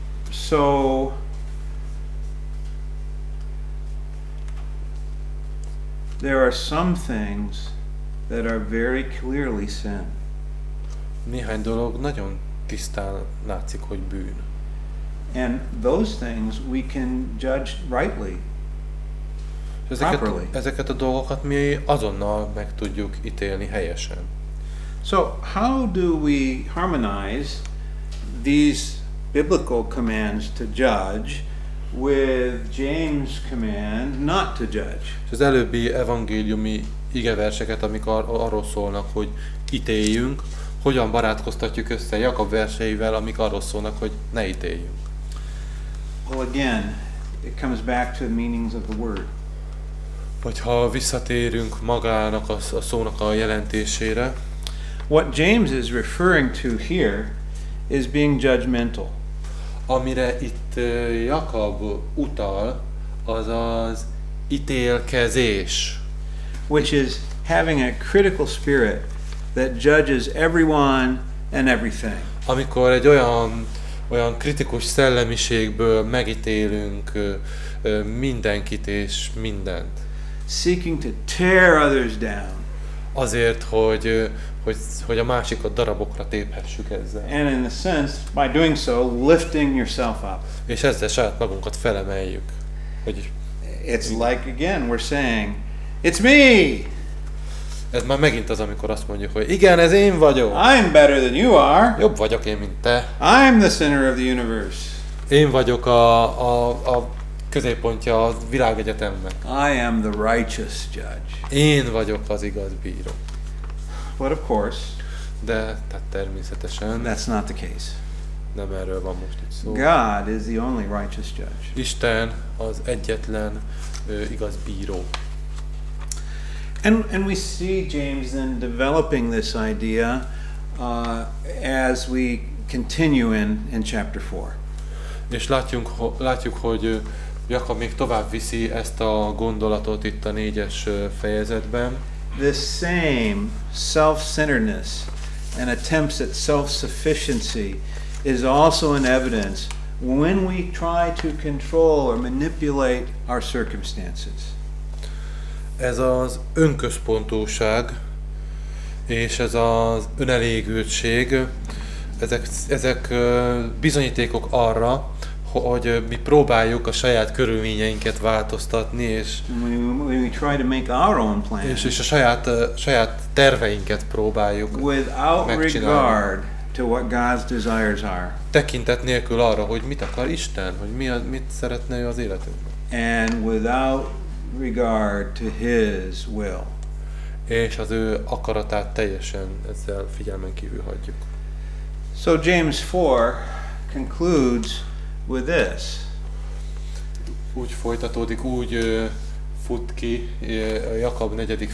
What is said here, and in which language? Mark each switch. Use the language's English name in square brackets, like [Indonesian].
[English] So there are some things that are very clearly sin. [Hungarian] Néhány dolog nagyon tisztán látszik, hogy bűn. [English] And those things we can judge rightly. [Hungarian] Ezeket a dolgokat mi azonnal meg tudjuk ítélni helyesen. [English] So how do we harmonize these biblical commands to judge with James' command not to judge? [Hungarian] Az előbbi evangéliumi igeverseket, amik arról szólnak, hogy ítéljünk, hogyan barátkoztatjuk össze Jakab verseivel, amik arról szólnak, hogy ne ítéljünk? [English] Well, again, it comes back to the meanings of the word. [Hungarian] Vagy ha visszatérünk magának a szónak a jelentésére. [English] What James is referring to here is being judgmental. [Hungarian] Amire itt Jakab utal, az az ítélkezés. [English] Which is having a critical spirit that judges everyone and everything. [Hungarian] Amikor egy olyan kritikus szellemiségből megítélünk mindenkit és mindent. [English] Seeking to tear others down. [Hungarian] Azért, hogy a másikat darabokra téphessük ezzel. [English] And in a sense, by doing so, lifting yourself up. [Hungarian] És ezzel saját magunkat felemeljük. [English] It's like, again, we're saying, it's me! [Hungarian] Ez már megint az, amikor azt mondjuk, hogy igen, ez én vagyok. [English] I'm better than you are. [Hungarian] Jobb vagyok én, mint te. [English] I'm the center of the universe. [Hungarian] Én vagyok a középpontja a világegyetemnek. [English] I am the righteous judge. [Hungarian] Én vagyok az igaz bíró. [English] But of course, [Hungarian] tehát természetesen, [English] that's not the case. [Hungarian] Nem erről van most itt szó. [English] God is the only righteous judge. [Hungarian] Isten az egyetlen igaz bíró. [English] And we see James then developing this idea as we continue in chapter 4. [Hungarian] És látjuk, hogy Jakab még tovább viszi ezt a gondolatot itt a 4-es fejezetben. [English] The same self-centeredness and attempts at self-sufficiency is also in evidence when we try to control or manipulate our circumstances. [Hungarian] Ez az önközpontúság és ez az önelégültség, ezek bizonyítékok arra, hogy mi próbáljuk a saját körülményeinket változtatni, és [English] we try to make our own plans, [Hungarian] és a saját terveinket próbáljuk [English] without [Hungarian] megcsinálni. [English] Regard to what God's desires are. [Hungarian] Tekintet nélkül arra, hogy mit akar Isten, hogy mit szeretne ő az életünkben. [English] And without regard to his will. [Hungarian] És az ő akaratát teljesen ezzel figyelmen kívül hagyjuk. [English] So James 4 concludes with this. [Hungarian] Úgy folytatódik, úgy fut ki a Jakab 4.